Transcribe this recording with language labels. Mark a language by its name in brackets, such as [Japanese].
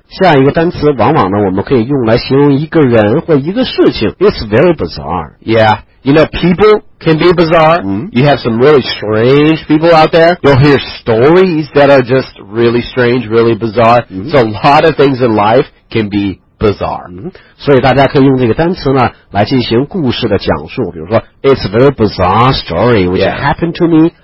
[Chinese] 下一个单词往往呢我们可以用来形容一个人或一个事情。 [English] It's very bizarre. Yeah. You know, people can be bizarre. You have some really strange people out there. You'll hear stories that are just really strange, really bizarre. So a lot of things in life can be bizarre. [Chinese] 所以大家可以用这个单词呢来进行故事的讲述。比如说 [English] It's a very bizarre story which happened to me.